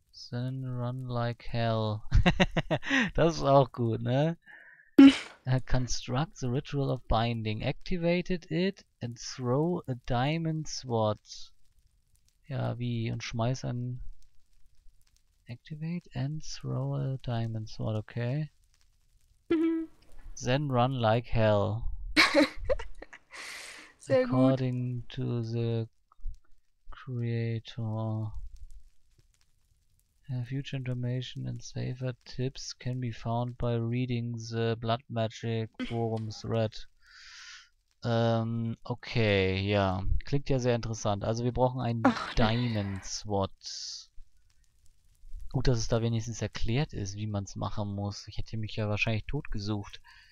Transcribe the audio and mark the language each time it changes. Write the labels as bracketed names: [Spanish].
[English] Then run like hell. [German] Das ist auch gut, ne? [English] Construct the ritual of binding. Activated it and throw a diamond sword. [German] Ja, wie? Und schmeiß ein... [English] Activate and throw a diamond sword, okay. Then run like hell. [German] Sehr [English] According [German] gut. [English] To the creator. Future information and safer tips can be found by reading the Blood Magic Forum Thread. [German] Okay, ja. Klingt ja sehr interessant. Also wir brauchen ein Diamond Sword. Gut, dass es da wenigstens erklärt ist, wie man es machen muss. Ich hätte mich ja wahrscheinlich totgesucht.